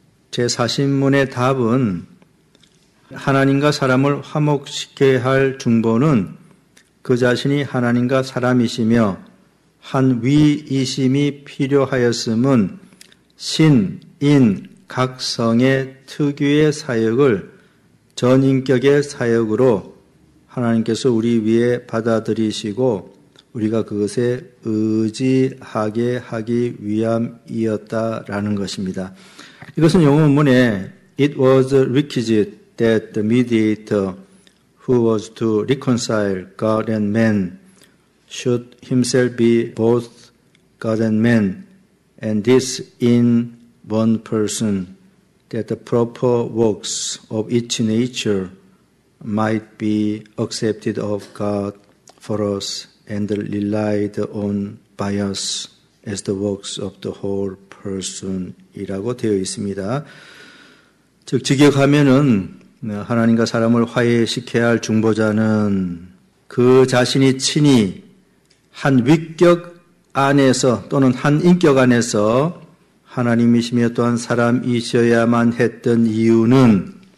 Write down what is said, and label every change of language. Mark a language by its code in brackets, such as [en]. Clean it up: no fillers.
[ko] 제 40문의 답은 하나님과 사람을 화목시켜야 할 중보는 그 자신이 하나님과 사람이시며 한 위이심이 필요하였음은 신, 인, 각 성의 특유의 사역을 전인격의 사역으로 하나님께서 우리 위에 받아들이시고 우리가 그것에 의지하게 하기 위함이었다라는 것입니다. 이것은 영어 문에 [en] It was requisite that the mediator who was to reconcile God and man should himself be both God and man, and this in one person, that the proper works of each nature might be accepted of God for us and relied on by us as the works of the whole person이라고 [ko] 되어 있습니다. 즉, 직역하면은 하나님과 사람을 화해시켜야 할 중보자는 그 자신이 친히 한 위격 안에서 또는 한 인격 안에서 하나님이시며 또한 사람이셔야만 했던 이유는